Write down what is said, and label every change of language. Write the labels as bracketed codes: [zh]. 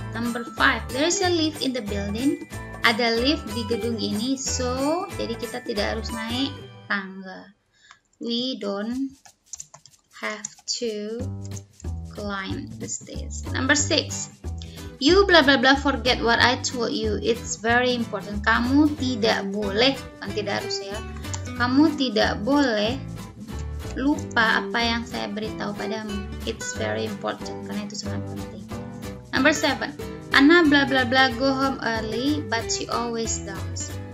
[en] Number 5, there is a lift in the building. [id] Ada lift di gedung ini, so jadi kita tidak harus naik tangga. [en] We don't have to climb the stairs. Number 6. You blah blah blah forget what I told you. It's very important. [id] Kamu tidak boleh, kan tidak harus ya. Kamu tidak boleh lupa apa yang saya beritahu padamu. [en] It's very important, [id] karena itu sangat penting. [en] Number 7. Anna blah blah blah go home early, but she always does.